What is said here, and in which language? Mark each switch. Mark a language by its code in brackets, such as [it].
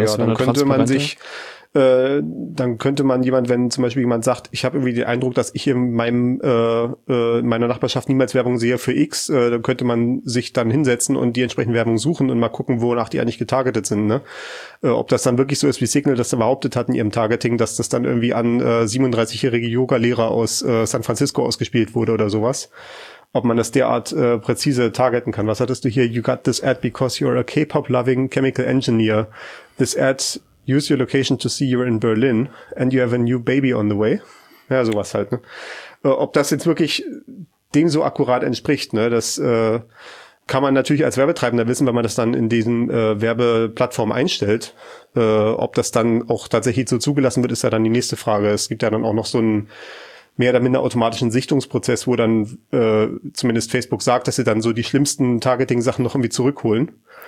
[de] Ja, dann könnte man sich jemand, wenn zum Beispiel jemand sagt, ich habe irgendwie den Eindruck, dass ich in meinem in meiner Nachbarschaft niemals Werbung sehe für X, dann könnte man sich dann hinsetzen und die entsprechende Werbung suchen und mal gucken, wonach die eigentlich getargetet sind, ne? Ob das dann wirklich so ist, wie Signal das behauptet hat in ihrem Targeting, dass das dann irgendwie an 37-jährige Yoga-Lehrer aus San Francisco ausgespielt wurde oder sowas. Ob man das derart präzise targeten kann. Was hattest du hier? [en] You got this ad because you're a K-Pop-loving chemical engineer. This ad use your location to see you're in Berlin and you have a new baby on the way. [de] Ja, sowas halt, ne? Ob das jetzt wirklich dem so akkurat entspricht, ne? Das kann man natürlich als Werbetreibender wissen, wenn man das dann in diesen Werbeplattformen einstellt. Ob das dann auch tatsächlich so zugelassen wird, ist ja dann die nächste Frage. Es gibt ja dann auch noch so einen mehr oder minder automatischen Sichtungsprozess, wo dann zumindest Facebook sagt, dass sie dann so die schlimmsten Targeting-Sachen noch irgendwie zurückholen.